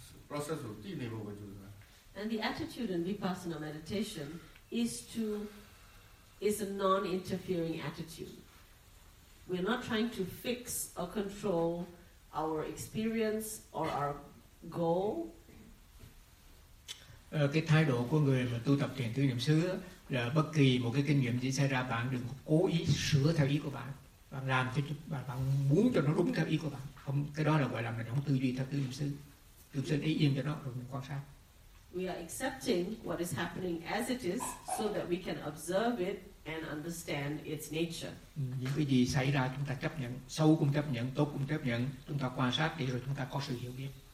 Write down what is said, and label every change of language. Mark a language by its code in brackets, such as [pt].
[en] And the attitude in vipassana meditation is a non-interfering attitude. We're not trying to fix or control our experience or our goal. [vi] Cái thái độ của người mà tu tập thiền tứ niệm xứ là bất kỳ một cái kinh nghiệm gì xảy ra, bạn đừng cố ý sửa theo ý của bạn. Bạn làm cho bạn muốn cho nó đúng theo ý của bạn. Không, cái đó là gọi là mình không tư duy theo tứ niệm xứ. Tứ niệm xứ để yên cho nó rồi mình quan sát. [en] We are accepting what is happening as it is so that we can observe it and understand its nature. [vi] Những cái gì xảy ra chúng ta chấp nhận, xấu cũng chấp nhận, tốt cũng chấp nhận, chúng ta quan sát để rồi chúng ta có sự hiểu biết.